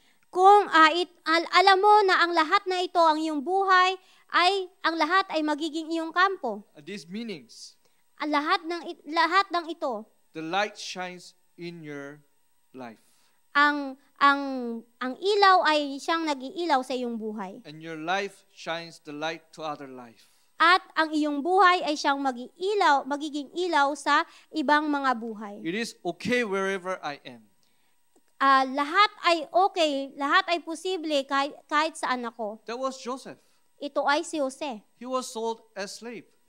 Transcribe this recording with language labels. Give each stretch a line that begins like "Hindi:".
Filipino: Kung alam mo na ang lahat na ito, ang iyong buhay, ay ang lahat ay magiging iyong kampo.
English: These meanings.
Filipino: Lahat ng ito.
English: The light shines in your life.
Filipino: Ang ilaw ay siyang nag-iilaw sa iyong buhay.
English: And your life shines the light to other life.
Filipino: At ang iyong buhay ay siyang magiging ilaw sa ibang mga buhay.
English: It is okay wherever I am.
Filipino: Lahat ay okay, lahat ay posible kahit saan ako.
English: That was Joseph.
Filipino: Ito ay si Jose.
English: He was sold as slave.